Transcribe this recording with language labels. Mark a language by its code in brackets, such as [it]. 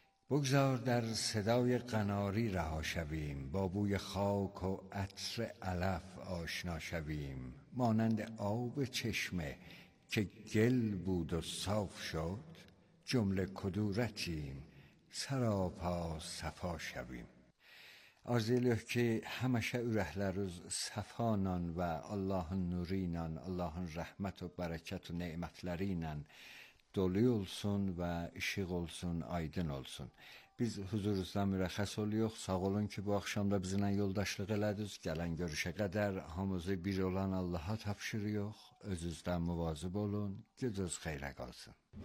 [fa] بگذار در صدای قناری رها شویم، با بوی خاک و عطر علف آشنا شویم، مانند آب چشمه که گل بود و صاف شد، جمله کدورتیم سراپا صفا شویم. [az] Arz edilir ki, həməşə ürəkləriz səfanla və Allahın nuri ilə, Allahın rəhmət və bərəkət və neymətləri ilə dolu olsun və işıq olsun, aydın olsun. Biz huzurunuzda mürəxəs oluyoruz. Sağ olun ki, bu axşam da bizimlə yoldaşlıq elədiniz. Gələn görüşə qədər hamızı bir olan Allaha tapşırıyoruz. Özünüzdə müvazib olun, gözünüz xeyrə qalsın.